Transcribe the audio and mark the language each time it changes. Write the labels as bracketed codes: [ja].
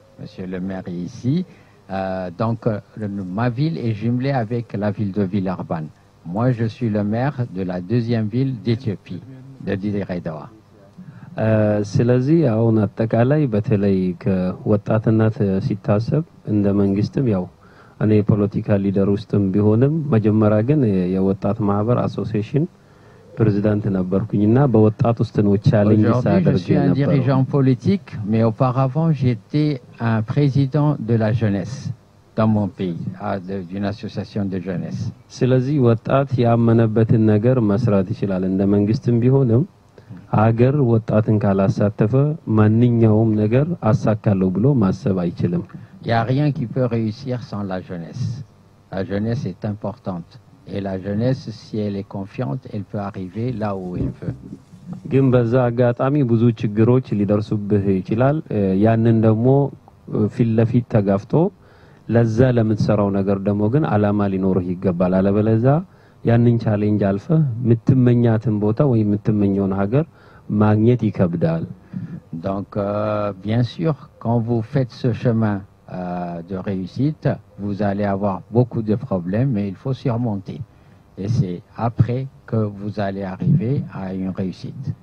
[fr] Monsieur le maire est ici. Donc ma ville est jumelée avec la ville de Villeurbanne. Moi, je suis le maire de la deuxième ville d'Éthiopie, de Didéredoa. [am] ስለዚህ አሁን አጠቃላይ በተለይ ከወጣትነት ሲታሰብ እንደ መንግስትም ያው እኔ ፖለቲካ ሊደር ውስጥም ቢሆንም መጀመሪያ ግን የወጣት ማህበር አሶሲሽን ፕሬዚዳንት ነበርኩኝና በወጣት ውስጥ ነው ቻሌንጅ ሳደርግ ነበር። [fr] Je suis un dirigeant politique, mais auparavant j'étais un président de la jeunesse dans mon pays, d'une association de jeunesse. [am] ስለዚህ ወጣት ያመነበትን ነገር መስራት ይችላል እንደ መንግስትም ቢሆንም አገር ወጣትን ካላሳተፈ ማንኛውም ነገር አሳካለው ብሎ ማሰብ አይችልም። [fr] Il y a rien qui peut réussir sans la jeunesse. La jeunesse est importante. Et la jeunesse, si elle est confiante, elle peut arriver là où elle veut. [am] ግን በዛ አጋጣሚ ብዙ ችግሮች ሊደርሱብህ ይችላል። ያንን ደግሞ ፊት ለፊት ተጋፍቶ ለዛ ለምትሰራው ነገር ደግሞ ግን አላማ ሊኖርህ ይገባል። አለበለዚያ ያንን ቻሌንጅ አልፈ የምትመኛትን ቦታ ወይ የምትመኘውን ሀገር ማግኘት ይከብዳል። [fr] Donc bien sûr, quand vous faites ce chemin de réussite, vous allez avoir beaucoup de problèmes, mais il faut surmonter. Et c'est après que vous allez arriver à une réussite.